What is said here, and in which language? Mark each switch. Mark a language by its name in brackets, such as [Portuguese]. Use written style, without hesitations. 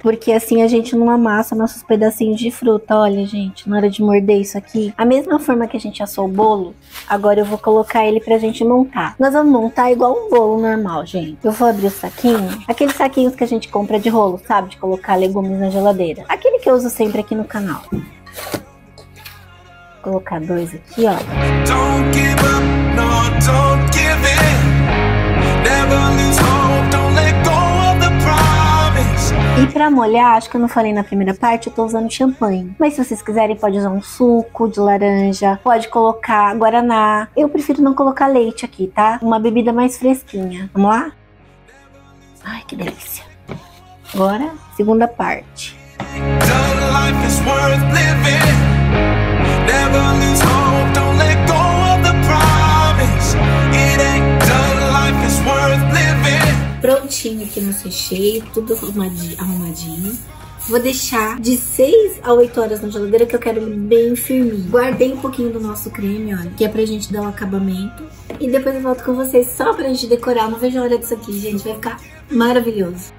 [Portuguese] Porque assim a gente não amassa nossos pedacinhos de fruta. Olha, gente, na hora de morder isso aqui, a mesma forma que a gente assou o bolo, agora eu vou colocar ele pra gente montar. Nós vamos montar igual um bolo normal, gente. Eu vou abrir o saquinho, aqueles saquinhos que a gente compra de rolo, sabe? De colocar legumes na geladeira. Aquele que eu uso sempre aqui no canal. Vou colocar dois aqui, ó. [English] Don't give up, no, don't give in. Never lose hope, don't let go of the promise. [Portuguese] E pra molhar, acho que eu não falei na primeira parte, eu tô usando champanhe. Mas se vocês quiserem, pode usar um suco de laranja, pode colocar guaraná. Eu prefiro não colocar leite aqui, tá? Uma bebida mais fresquinha. Vamos lá? Ai, que delícia. Agora, segunda parte. [English] The life is worth living. Never lose hope, don't let go of the promise. It ain't done, life is worth living. [Portuguese] Prontinho aqui no recheio, tudo arrumadinho. Vou deixar de 6 a 8 horas na geladeira, que eu quero bem firminho. Guardei um pouquinho do nosso creme, olha, que é pra gente dar um acabamento. E depois eu volto com vocês só pra gente decorar. Não vejo a hora disso aqui, gente, vai ficar maravilhoso.